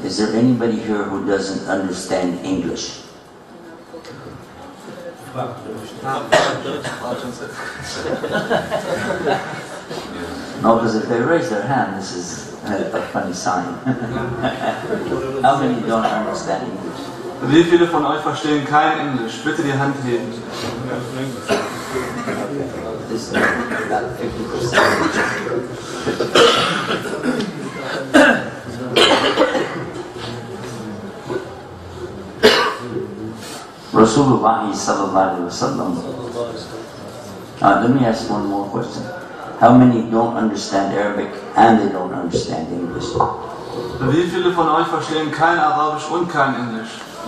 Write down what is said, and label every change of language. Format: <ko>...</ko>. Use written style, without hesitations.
<en>Is there anybody here who doesn't understand English? No, because if they raise their hand, this is a funny sign. How many don't understand English?</en> <de>Wie viele von euch verstehen kein Englisch? Bitte die Hand heben.</de> <en>This is about 50%.</en> <ar>Rasulullah sallallahu alaihi wasallam.</ar> <en>Let me ask one more question. How many don't understand Arabic and they don't understand English?</en> <de>Wie viele von euch verstehen kein Arabisch und kein Englisch?</de>